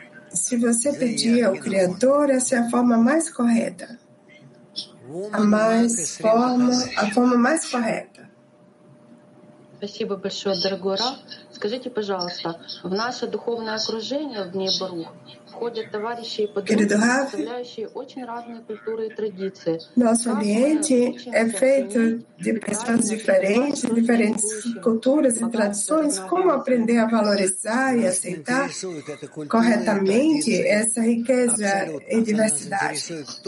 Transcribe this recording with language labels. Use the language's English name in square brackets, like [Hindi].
[Portuguese] Se você pedir ao Criador, essa é a forma mais correta. A forma mais correta. [Russian] Спасибо большое, дорогой Рав. Скажите, пожалуйста, в наше духовное окружение в дне Барух входят товарищи и подруги, представляющие очень разные культуры и традиции. [Portuguese] Nosso ambiente é feito de pessoas diferentes, diferentes culturas e tradições. Como aprender a valorizar e aceitar corretamente essa riqueza e diversidade?